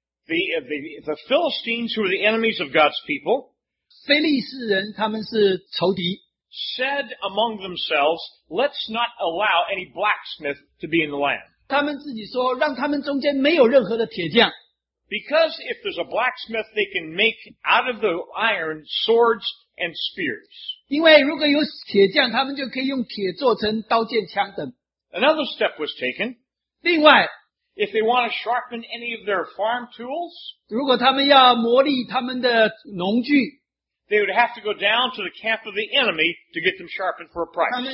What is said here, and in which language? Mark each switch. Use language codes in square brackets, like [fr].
[en] the Philistines, who were the enemies of God's people, [zh] 非利士人, 他们是仇敌, [en] said among themselves, let's not allow any blacksmith to be in the land. [zh] 他们自己说让他们中间没有任何的铁匠, [en] because if there's a blacksmith, they can make out of the iron swords and spears. [zh] 因为如果有铁匠, 他们就可以用铁做成刀剑枪等。 [en] Another step was taken. [zh] 另外, [en] if they want to sharpen any of their farm tools, [zh] 如果他们要磨砺他们的农具, [en] they would have to go down to the camp of the enemy to get them sharpened for a price.